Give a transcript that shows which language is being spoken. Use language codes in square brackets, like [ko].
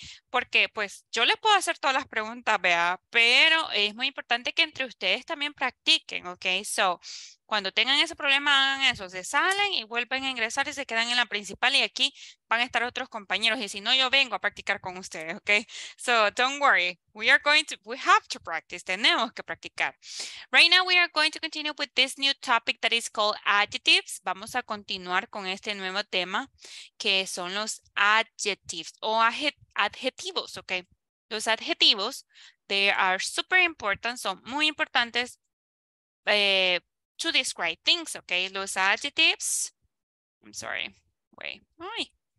[es] Porque, pues, yo les puedo hacer todas las preguntas, vea, pero es muy importante que entre ustedes también practiquen, ¿ok? So, cuando tengan ese problema, hagan eso, se salen y vuelven a ingresar y se quedan en la principal y aquí van a estar otros compañeros. Y si no, yo vengo a practicar con ustedes, ¿ok? [en] So, don't worry. We have to practice. [es] Tenemos que practicar. [en] Right now, we are going to continue with this new topic that is called adjectives. [es] Vamos a continuar con este nuevo tema que son los adjectives o adjetivos, ¿ok? Los adjetivos, [en] they are super important, [es] son muy importantes. [en] To describe things, okay? Los adjectives, I'm sorry, wait. Ay.